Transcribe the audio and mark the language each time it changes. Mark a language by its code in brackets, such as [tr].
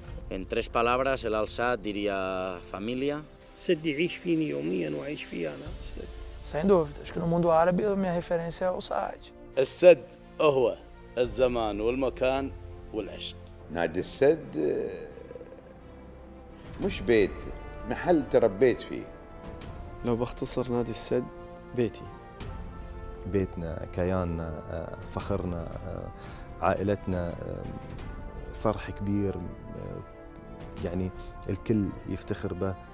[es] En tres palabras el Alsa diría familia. [ar] سدي عيش فيني يوميا وعيش فيه انا السد. [es] Sin duda, es que el mundo árabe mi referencia es Osaj. [ar] السد هو الزمان والمكان والعشق. نادي السد مش بيت، محل تربيت فيه. لو بختصر نادي السد بيتي. بيتنا، كياننا، فخرنا، عائلتنا، صرح كبير يعني الكل يفتخر به.